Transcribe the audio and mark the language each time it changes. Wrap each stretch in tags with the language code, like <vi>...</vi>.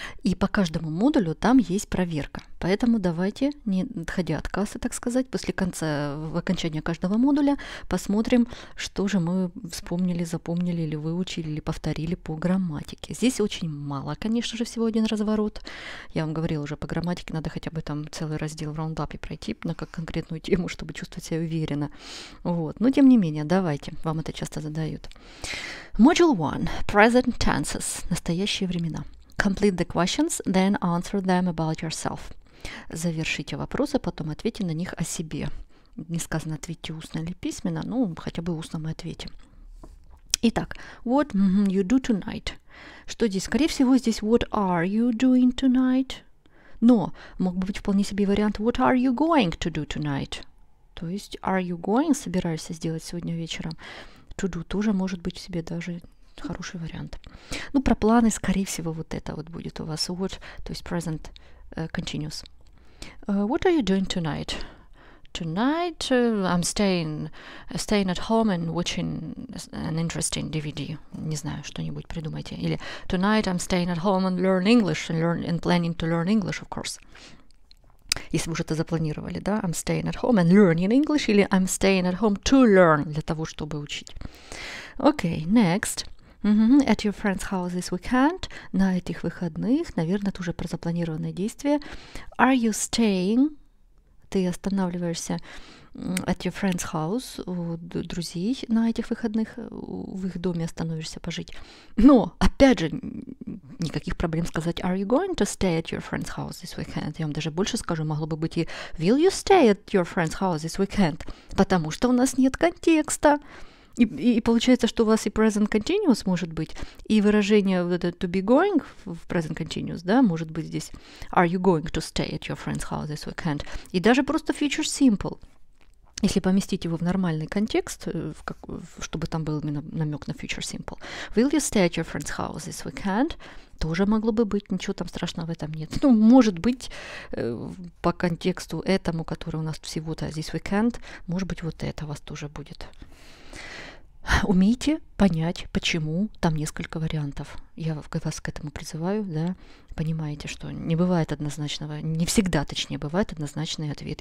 <ru>И по каждому модулю там есть проверка. Поэтому давайте, не отходя от кассы, так сказать, после конца, в окончании каждого модуля, посмотрим, что же мы вспомнили, запомнили или выучили, или повторили по грамматике. Здесь очень мало, конечно же, всего один разворот. Я вам говорила уже, по грамматике надо хотя бы там целый раздел в раундапе пройти на как конкретную тему, чтобы чувствовать себя уверенно. Вот. Но тем не менее, давайте, вам это часто задают.</ru> <en>Module 1. Present tenses.</en> <ru>Настоящие времена.</ru> <en>Complete the questions, then answer them about yourself.</en> <ru>Завершите вопросы, потом ответьте на них о себе. Не сказано, ответьте устно или письменно, но хотя бы устно мы ответим. Итак,</ru> <en>what you do tonight?</en> <ru>Что здесь? Скорее всего, здесь</ru> <en>what are you doing tonight?</en> <ru>Но мог бы быть вполне себе вариант</ru> <en>what are you going to do tonight?</en> <ru>То есть</ru> <en>are you going,</en> <ru>собираешься сделать сегодня вечером? To do тоже может быть в себе даже хороший вариант. Ну, про планы, скорее всего, вот это вот будет у вас.</ru> <en>What,</en> <ru>то есть</ru> <en>present continuous. What are you doing tonight? Tonight I'm staying at home and watching an interesting DVD.</en> <ru>Не знаю, что-нибудь придумайте. Или</ru> <en>tonight I'm staying at home and learn English and planning to learn English, of course.</en> <ru>Если вы уже это запланировали, да?</ru> <en>I'm staying at home and learning English.</en> <ru>Или</ru> <en>I'm staying at home to learn.</en> <ru>Для того, чтобы учить.</ru> <en>Okay, next. At your friend's house this weekend.</en> <ru>На этих выходных. Наверное, это уже про запланированное действие.</ru> <en>Are you staying?</en> <ru>Ты останавливаешься</ru> <en>at your friend's house.</en> <ru>У друзей на этих выходных. В их доме остановишься пожить. Но, опять же, никаких проблем сказать</ru> <en>are you going to stay at your friend's house this weekend?</en> <ru>Я вам даже больше скажу, могло бы быть и</ru> <en>will you stay at your friend's house this weekend?</en> <ru>Потому что у нас нет контекста. И получается, что у вас и present continuous может быть, и выражение вот это to be going в present continuous, да, может быть здесь</ru> <en>are you going to stay at your friend's house this weekend?</en> <ru>И даже просто future simple. Если поместить его в нормальный контекст, чтобы там был именно намек на future simple.</ru> <en>Will you stay at your friend's house this weekend?</en> <ru>Тоже могло бы быть, ничего там страшного в этом нет. Ну, может быть, по контексту этому, который у нас всего-то</ru> <en>this weekend,</en> <ru>может быть, вот это у вас тоже будет. Умейте понять, почему там несколько вариантов. Я вас к этому призываю, да. Понимаете, что не бывает однозначного, не всегда, точнее, бывает однозначный ответ.</ru>